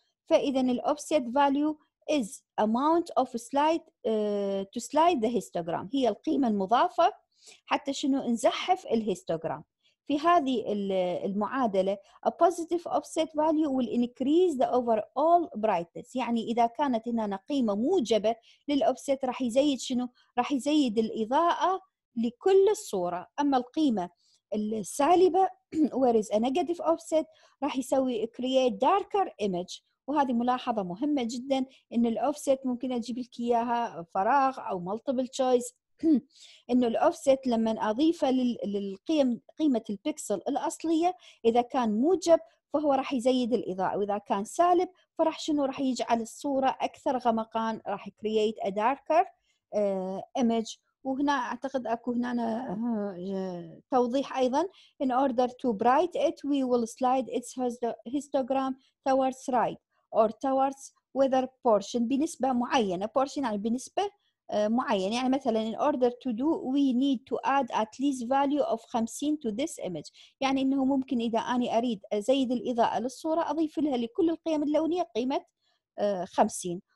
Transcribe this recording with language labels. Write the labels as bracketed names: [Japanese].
[Arabic] فإذا الأوفسيت فاليو [English] is amount of slide to slide the histogram، [Arabic] هي القيمة المضافة حتى شنو نزحف الهيستوغرام. في هذه المعادلة [English] a positive offset value will increase the overall brightness، [Arabic] يعني إذا كانت هنا قيمة موجبة للأوفسيت راح يزيد شنو؟ راح يزيد الإضاءة لكل الصورة. أما القيمة السالبة [English] where is a negative offset [Arabic] راح يسوي [English] create darker image. [Arabic] وهذه ملاحظة مهمة جدا، إن الأوفسيت ممكن أجيب لك إياها فراغ أو multiple choice، إنه الأوفسيت لما أضيفه للقيم قيمة البيكسل الأصلية إذا كان موجب فهو راح يزيد الإضاءة، وإذا كان سالب فراح شنو راح يجعل الصورة أكثر غمقان، راح [English] create a darker image. [Arabic] وهنا أعتقد أكو هنا توضيح أيضا [English] in order to bright it we will slide its histogram towards right or towards weather portion [Arabic] بنسبة معينة، [English] portion [Arabic] يعني بنسبة معين. يعني مثلا [English] in order to do we need to add at least value of 50 to this image، [Arabic] يعني انه ممكن اذا انا اريد ازيد الاضاءة للصورة اضيف لها لكل القيم اللونية قيمة 50.